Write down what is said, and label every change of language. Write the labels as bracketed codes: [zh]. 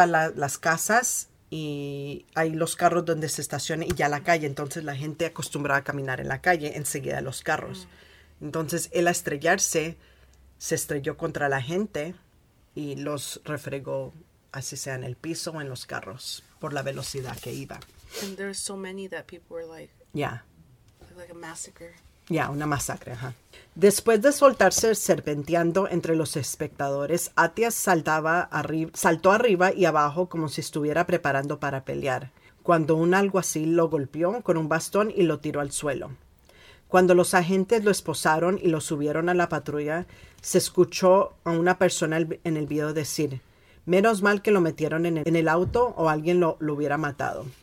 [es] Las casas y hay los carros donde se estaciona y ya la calle. Entonces la gente acostumbraba a caminar en la calle enseguida los carros. Uh-huh. Entonces, él a estrellarse, se estrelló contra la gente y los refregó, así sea en el piso o en los carros, por la velocidad que iba. [en] And there were so many that people were like... Yeah. Like a massacre. [es] Yeah, una masacre, ajá. Después de soltarse serpenteando entre los espectadores, Atias saltó arriba y abajo como si estuviera preparando para pelear, cuando un alguacil lo golpeó con un bastón y lo tiró al suelo. Cuando los agentes lo esposaron y lo subieron a la patrulla, se escuchó a una persona en el video decir, menos mal que lo metieron en el auto o alguien lo hubiera matado.